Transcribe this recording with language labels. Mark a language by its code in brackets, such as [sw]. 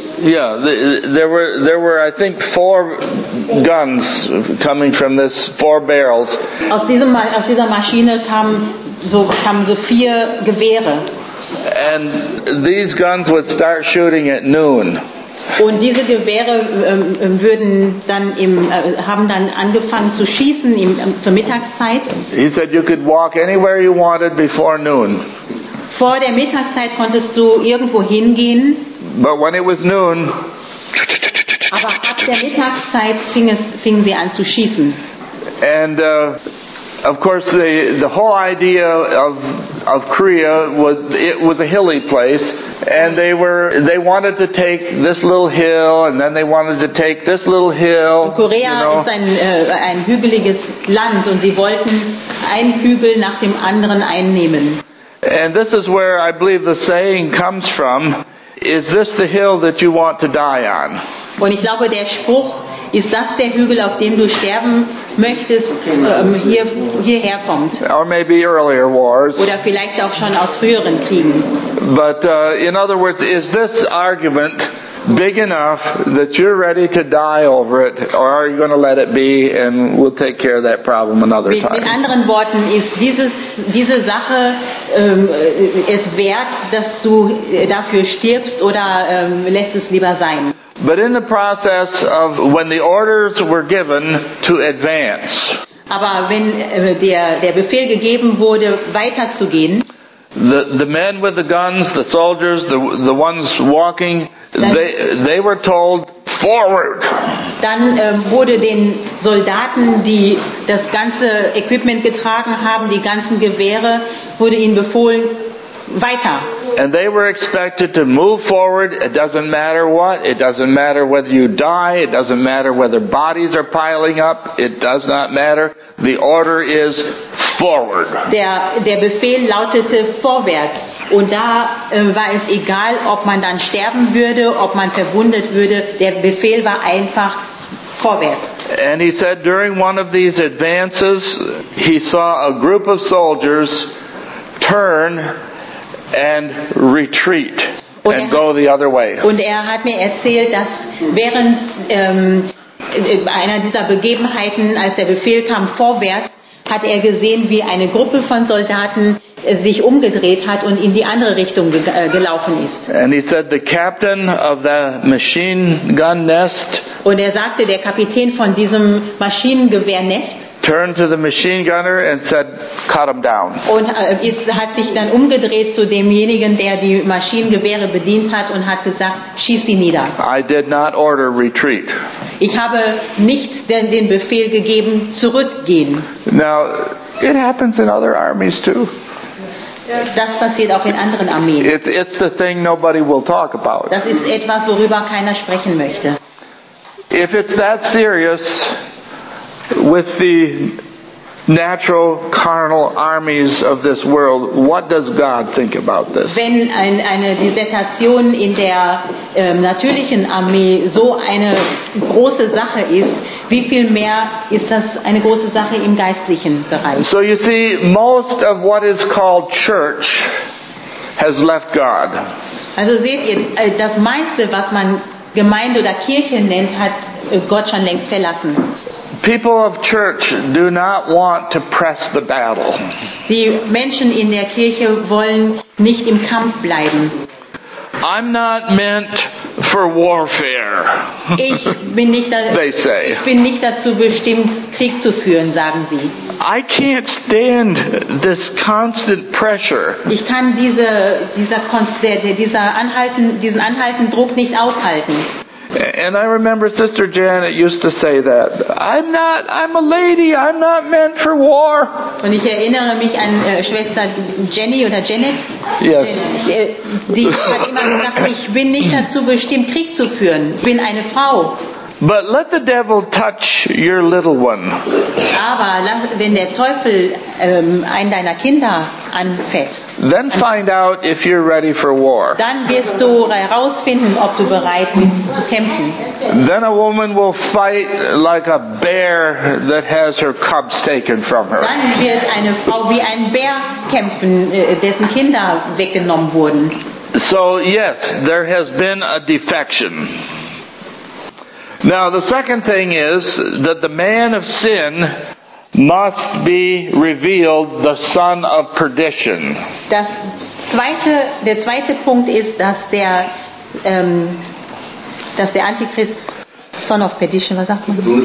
[en] Yeah, there were I think four guns coming from this, four barrels. [de] Aus dieser Maschine kamen so vier Gewehre. [en] And these guns would start shooting at noon. [de] Und diese Gewehre würden dann haben dann angefangen zu schießen zur Mittagszeit. [en] He said you could walk anywhere you wanted before noon. [de] Vor der Mittagszeit konntest du irgendwo hingehen. [en] But when it was noon, [de] aber ab der Mittagszeit fingen sie an zu schießen. [en] And of course the whole idea of Korea was it was a hilly place, and they wanted to take this little hill, and then they wanted to take this little hill. [de] Korea ist ein hügeliges Land, und sie wollten einen Hügel nach dem anderen einnehmen. [en] And this is where I believe the saying comes from: is this the hill that you want to die on? [de] Und ich glaube, der Spruch, ist das der Hügel, auf dem du sterben möchtest, hierher kommt? [en] Or maybe earlier wars. [de] Oder vielleicht auch schon aus früheren Kriegen. [en] But in other words, is this argument big enough that you're ready to die over it, or are you going to let it be and we'll take care of that problem another time? [de] Mit anderen Worten, ist diese Sache es wert, dass du dafür stirbst, oder lässt es lieber sein? [en] But in the process of when the orders were given to advance, [de] aber wenn der Befehl gegeben wurde, weiterzugehen, [en] the men with the guns, the soldiers, the ones walking, they were told forward. [de] Dann wurde den Soldaten, die das ganze Equipment getragen haben, die ganzen Gewehre, wurde ihnen befohlen, weiter. [en] And they were expected to move forward. It doesn't matter what. It doesn't matter whether you die. It doesn't matter whether bodies are piling up. It does not matter. The order is forward. [de] Der Befehl lautete vorwärts. Und da war es egal, ob man dann sterben würde, ob man verwundet würde. Der Befehl war einfach vorwärts. [en] And he said during one of these advances, he saw a group of soldiers turn and retreat and go the other way. [de] Und er hat mir erzählt, dass während einer dieser Begebenheiten, als der Befehl kam vorwärts, hat er gesehen, wie eine Gruppe von Soldaten sich umgedreht hat und in die andere Richtung gelaufen ist. [en] And he said the captain of the machine gun nest, [de] und er sagte, der Kapitän von diesem Maschinengewehrnest, [en] turned to the machine gunner and said, "Cut him down." [de] Und hat sich dann umgedreht zu demjenigen, der die Maschinengewehre bedient hat, und hat gesagt, "Schieß sie nieder." [en] I did not order retreat. [de] Ich habe nicht den Befehl gegeben, zurückgehen. [en] Now, it happens in other armies too. [de] Das passiert auch in anderen Armeen. [en] It's the thing nobody will talk about. [de] Das ist etwas, worüber keiner sprechen möchte. [en] If it's that serious with the natural carnal armies of this world, what does God think about this? [de] Wenn eine Dissertation in der natürlichen Armee so eine große Sache ist, wie viel mehr ist das eine große Sache im geistlichen Bereich? [en] So you see, most of what is called church has left God. [de] Also seht ihr, das meiste, was man Gemeinde oder Kirche nennt, hat Gott schon längst verlassen. [en] People of church do not want to press the battle. [de] Die Menschen in der Kirche wollen nicht im Kampf bleiben. [en] I'm not meant for warfare. [de] Ich bin nicht dazu bestimmt, Krieg zu führen, sagen sie. [en] I can't stand this constant pressure. [de] Ich kann diesen anhaltenden Druck nicht aushalten. [en] And I remember Sister Janet used to say that. I'm a lady, I'm not meant for war. [de] Und ich erinnere mich an Schwester Jenny oder Janet. [en] Yes. [de] Die hat immer gesagt, ich bin nicht dazu bestimmt, Krieg zu führen. Ich bin eine Frau. [en] But let the devil touch your little one. [de] Aber wenn der Teufel einen deiner Kinder anfasst, [en] then find out if you're ready for war. [de] Dann wirst du herausfinden, ob du bereit bist zu kämpfen. [en] Then a woman will fight like a bear that has her cubs taken from her. [de] Dann wird eine Frau wie ein Bär kämpfen, dessen Kinder weggenommen wurden. [en] So yes, there has been a defection. Now the second thing is that the man of sin must be revealed, the son of perdition. [de] Der zweite Punkt ist, dass der Antichrist, [en] son of perdition, [de] was sagt man?